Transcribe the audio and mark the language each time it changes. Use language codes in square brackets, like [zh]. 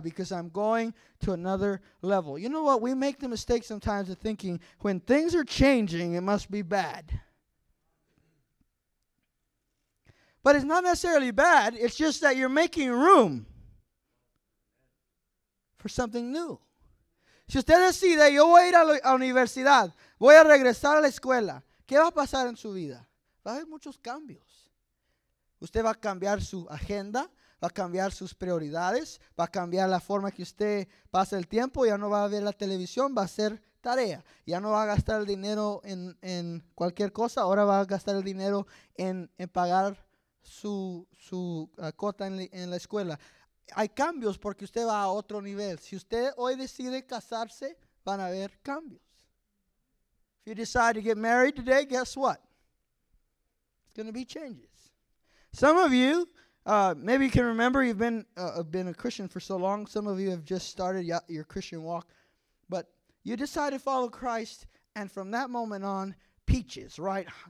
[en] Because I'm going to another level. You know what? We make the mistake sometimes of thinking when things are changing, it must be bad. But it's not necessarily bad. It's just that you're making room for something new. [es] Si usted decide, yo voy a ir a la universidad, voy a regresar a la escuela, ¿qué va a pasar en su vida? Va a haber muchos cambios. Usted va a cambiar su agenda, va a cambiar sus prioridades, va a cambiar la forma que usted pasa el tiempo, ya no va a ver la televisión, va a hacer tarea. Ya no va a gastar el dinero en cualquier cosa, ahora va a gastar el dinero en pagar su cuota en la escuela. Hay cambios porque usted va a otro nivel. Si usted hoy decide casarse, van a haber cambios. [en] If you decide to get married today, guess what? It's going to be changes. Some of you, maybe you can remember, you've been a Christian for so long. Some of you have just started your Christian walk. But you decide to follow Christ, and from that moment on, peaches, right?